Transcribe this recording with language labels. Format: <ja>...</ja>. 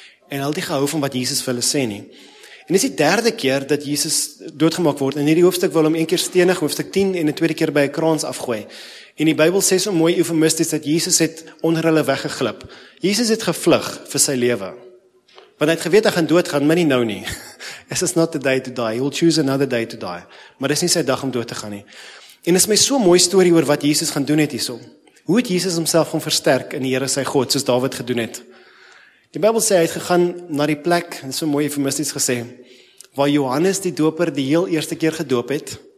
<af>En hulle het nie gehou van wat Jesus vir hulle sê nie. En dis die derde keer dat Jesus doodgemaak word, en hierdie hoofstuk wil hom een keer stenig, hoofstuk 10, en die tweede keer by 'n kraans afgooi. En die Bybel sê so mooi eufemisties dat Jesus het onder hulle weggeglip. Jesus het gevlug vir sy lewe. Want hy het geweet hy gaan doodgaan, maar nie nou nie.</af> <en>This is not the day to die. He will choose another day to die.</en> <af>Maar dis nie sy dag om dood te gaan nie. En dis my so mooi storie oor wat Jesus gaan doen het hierson. Hoe het Jesus homself gaan versterk in die Here sy God, soos Dawid gedoen het? Die Bybel sê hy het gegaan na die plek, en so mooi eufemisties gesê, waar Johannes die Doper die heel eerste keer gedoop het.</af>